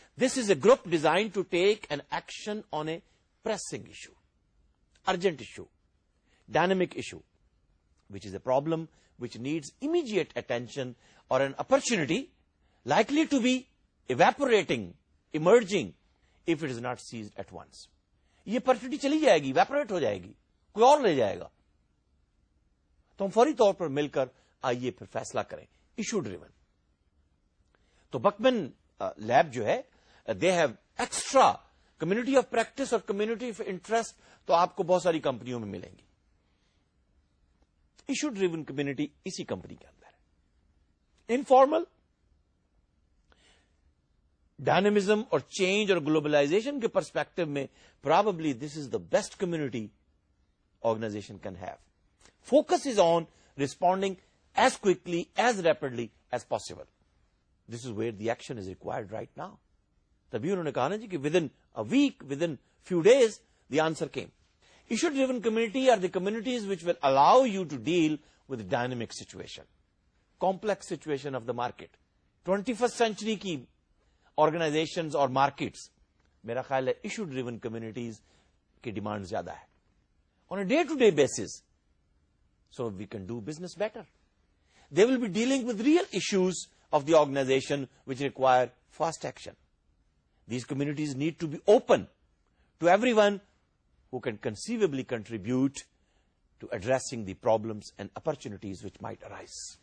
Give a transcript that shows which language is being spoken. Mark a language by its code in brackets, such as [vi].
[en] This is a group designed to take an action on a pressing issue, urgent issue, dynamic issue, which is a problem which needs immediate attention or an opportunity likely to be evaporating, emerging, if it is not seized at once. [ur] یہ perfectly چلی جائے گی, evaporate ہو جائے گی, کوئی اور لے جائے گا, تو ہم فوری طور پر مل کر آئیے پھر فیصلہ کریں. Issue driven. تو بکمن لیب جو ہے [en] they have extra community of practice [ur] اور کمیونٹی آف انٹرسٹ تو آپ کو بہت ساری کمپنیوں میں ملیں گی. ایشو ڈریون کمیونٹی اسی کمپنی کے اندر ہے. انفارمل, ڈائنمزم اور چینج اور گلوبلائزیشن کے پرسپیکٹو میں [en] Probably this is the best community organisation can have. Focus is on responding as quickly as rapidly as possible. This is where the action is required right now. [ur] تبھی انہوں نے کہا نا جی کہ [en] Within week, within few days the answer came. Issue driven community are the communities which will allow you to deal with dynamic situation, complex situation of the market. [ur] 21st century کی organisations اور markets, میرا خیال ہے issue driven communities کی demand زیادہ ہے [en] On a day to day basis, so we can do business better. They will be dealing with real issues of the organisation which require fast action. These communities need to be open to everyone who can conceivably contribute to addressing the problems and opportunities which might arise.